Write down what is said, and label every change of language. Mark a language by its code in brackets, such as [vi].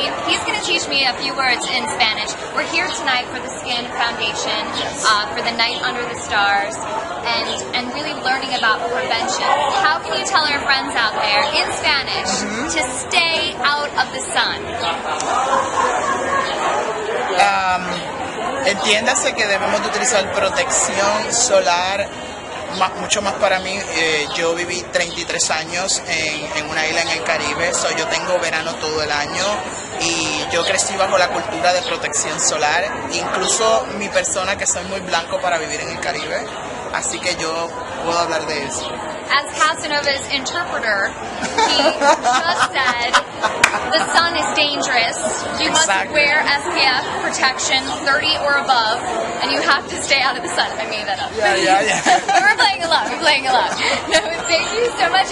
[en] he's going to teach me a few words in Spanish. We're here tonight for the Skin Foundation, for the Night Under the Stars, and really learning about prevention. How can you tell our friends out there in Spanish to stay out of the sun? [es] Entiéndase que debemos de utilizar protección solar mucho más para mí. Yo viví 33 años en una isla en el Caribe, so yo tengo verano todo el año y yo crecí bajo la cultura de protección solar. Incluso mi persona, que soy muy blanco para vivir en el Caribe, así que yo puedo hablar de eso. [en] As Casanova's interpreter, he just said the sun is dangerous. You must wear SPF protection 30 or above, and you have to stay out of the sun. I made that up. Yeah. We're playing along. No, thank you so much.